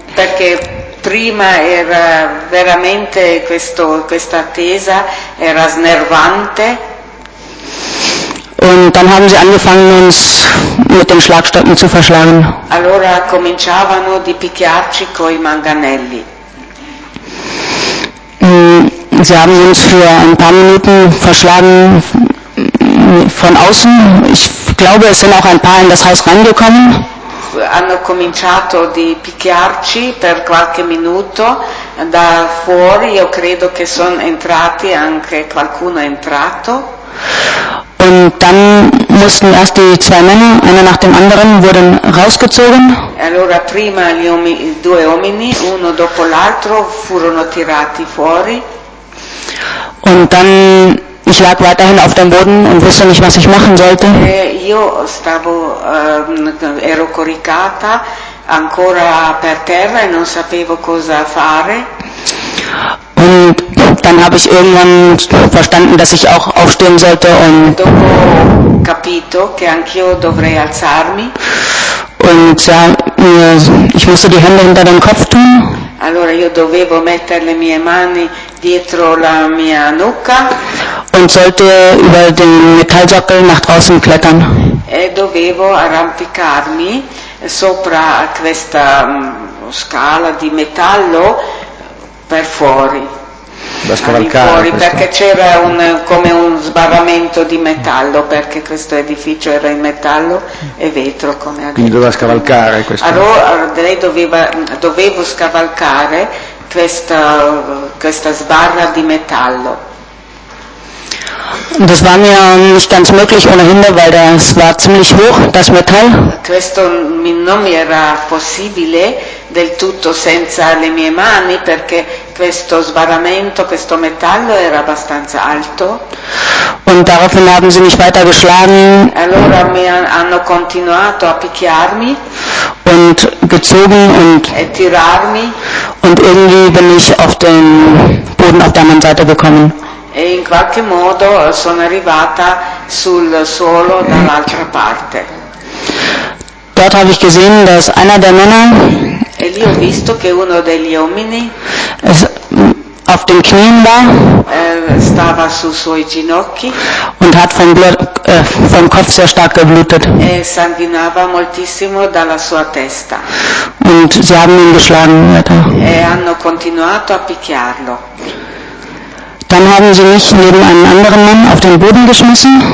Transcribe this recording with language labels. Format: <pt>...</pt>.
<it>Perché prima era veramente questa attesa era snervante.</it> <de>Und dann haben sie angefangen, uns mit den Schlagstöcken zu verschlagen.</de> <it>Allora cominciavano di picchiarci coi manganelli.</it> <de>Sie haben uns für ein paar Minuten verschlagen von außen. Ich glaube, es sind auch ein paar in das Haus reingekommen.</de> <it>Hanno cominciato di picchiarci per qualche minuto da fuori. Io credo che sono entrati, anche qualcuno è entrato.</it> <de>Und dann mussten erst die zwei Männer, einer nach dem anderen, wurden rausgezogen.</de> <it>Allora prima gli due uomini, uno dopo l'altro, furono tirati fuori.</it> <de>Und dann, ich lag weiterhin auf dem Boden und wusste nicht, was ich machen sollte.</de> <it>Io stavo, ero coricata ancora per terra e non sapevo cosa fare.</it> <de>Und dann habe ich irgendwann verstanden, dass ich auch aufstehen sollte und</de> <it>dopo capito che anch'io dovrei alzarmi.</it> <de>Und ja, ich musste die Hände hinter den Kopf tun.</de> <it>Allora io dovevo mettere le mie mani dietro la mia nuca.</it> <de>Und sollte über den Metallsockel nach draußen klettern.</de> <it>E dovevo arrampicarmi sopra questa scala di metallo per fuori. Da scavalcare fuori, perché c'era un come un sbarramento di metallo, perché questo edificio era in metallo e vetro, come quindi doveva scavalcare questo. Allora lei dovevo scavalcare questa sbarra di metallo.</it> <de>Das war mir nicht ganz möglich ohnehin, weil das war ziemlich hoch, das Metall.</de> <it>Questo non mi era possibile del tutto senza le mie mani, perché questo sbarramento, questo metallo era abbastanza alto.</it> <de>Und daraufhin haben sie mich weiter geschlagen.</de> <it>Allora mi hanno continuato a picchiarmi.</it> <de>Und gezogen und.</de> <it>E tirarmi.</it> <de>Und irgendwie bin ich auf den Boden auf der anderen Seite gekommen.</de> <it>E in qualche modo sono arrivata sul suolo dall'altra parte.</it> <de>Dort habe ich gesehen, dass einer der Männer.</de> <it>E lì ho visto che uno degli uomini</it> <de>auf den Knien war,</de> <it>stava su suoi ginocchi</it> <de>und hat vom Kopf sehr stark geblutet.</de> <it>E sanguinava moltissimo dalla sua testa.</it> <de>Und sie haben ihn geschlagen.</de> <it>E hanno continuato a picchiarlo.</it> <de>Dann haben sie mich neben einen anderen Mann auf den Boden geschmissen.</de>